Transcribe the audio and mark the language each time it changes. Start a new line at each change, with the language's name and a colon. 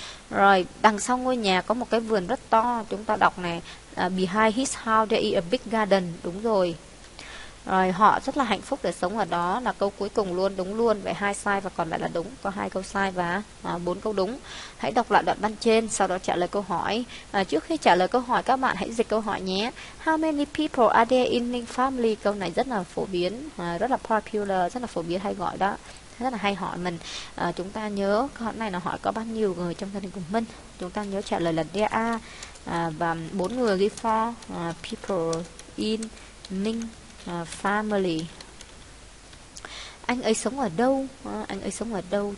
Vietnamese: Rồi, đằng sau ngôi nhà có một cái vườn rất to, chúng ta đọc này,
English: behind his house there is a big garden,
Vietnamese: đúng rồi. Rồi họ rất là hạnh phúc để sống ở đó là câu cuối cùng luôn, đúng luôn. Vậy hai sai và còn lại là đúng, có hai câu sai và bốn câu đúng. Hãy đọc lại đoạn văn trên sau đó trả lời câu hỏi. Trước khi trả lời câu hỏi các bạn hãy dịch câu hỏi nhé.
English: How many people are there in Ning family?
Vietnamese: Câu này rất là phổ biến, rất là popular, rất là phổ biến hay gọi đó, rất là hay hỏi mình. Chúng ta nhớ câu này là hỏi có bao nhiêu người trong gia đình của mình. Chúng ta nhớ trả lời là
English: there are,
Vietnamese: và bốn người ghi
English: four people in Ning family.
Vietnamese: Anh ấy sống ở đâu? Anh ấy sống ở đâu?